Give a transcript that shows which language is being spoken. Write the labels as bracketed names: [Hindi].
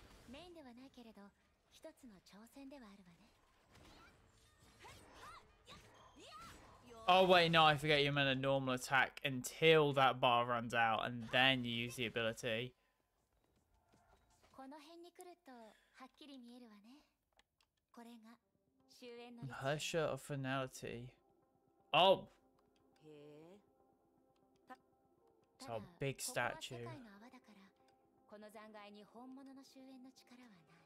[Japanese] Main ではないけれど一つの挑戦ではあるわね。 [English] Oh wait, no, I forget you meant a normal attack until that bar runs out and then you use the ability. [Japanese] この辺に来るとはっきり見えるわね。これが終焉の。 [English] Hersha of finality. Oh. [Japanese] へえ。 [English] So big statue. [Japanese] ここは世界の泡だから、この残骸に本物の終焉の力はない。